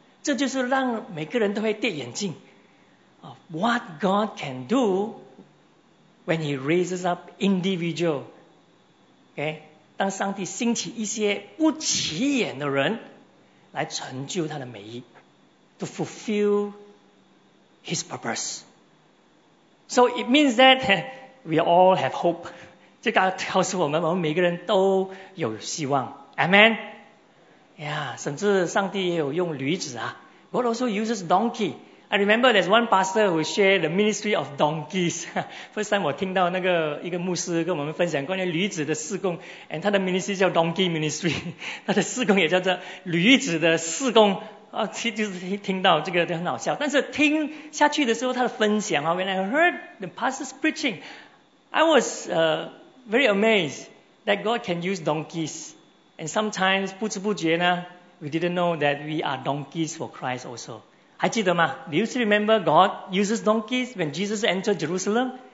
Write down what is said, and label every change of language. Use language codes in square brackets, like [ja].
[zh] 这就是让每个人都会跌眼镜 [en] of what God can do when He raises up individual. Okay? [zh] 当上帝兴起一些不起眼的人来成就他的美意, [en] to fulfill His purpose. So it means that we all have hope. [zh] 这告诉我们，我们每个人都有希望。 Amen. Yeah, 甚至上帝也有用驴子啊。 [en] God also uses donkey. I remember there's one pastor who shared the ministry of donkeys. First time [zh] 我听到那个一个牧师跟我们分享关于驴子的事工 ，and 他的 ministry 叫 donkey ministry， 他的事工也叫做驴子的事工。啊，其实就是听到这个就很好笑。但是听下去的时候，他的分享啊 [en] ，when I heard the pastor's preaching， I was very amazed that God can use donkeys， and sometimes [zh] 不知不觉呢 [en] ，we didn't know that we are donkeys for Christ also。 [zh] 还记得吗 [en] ？Do you remember God uses donkeys when Jesus entered Jerusalem？